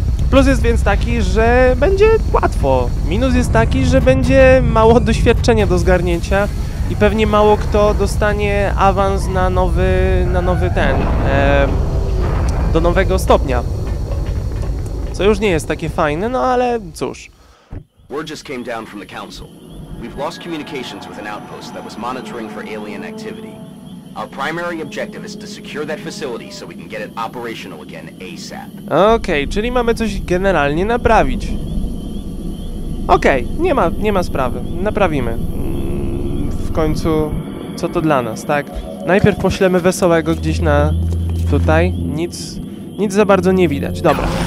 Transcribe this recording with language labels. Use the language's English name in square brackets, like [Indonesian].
[Polish] Plus jest więc taki, że będzie łatwo. Minus jest taki, że będzie mało doświadczenia do zgarnięcia i pewnie mało kto dostanie awans na nowy ten. Do nowego stopnia. Co już nie jest takie fajne, no ale cóż. [English] Word just came down from the council. We've lost communications with an outpost that was monitoring for alien activity. Our primary objective is to secure that facility so we can get it operational again ASAP. [Polish] Okej, czyli mamy coś generalnie naprawić. Okej, nie ma sprawy. Naprawimy. W końcu co to dla nas, tak? Najpierw poślemy Wesołego gdzieś na tutaj. Nic za bardzo nie widać. Dobra.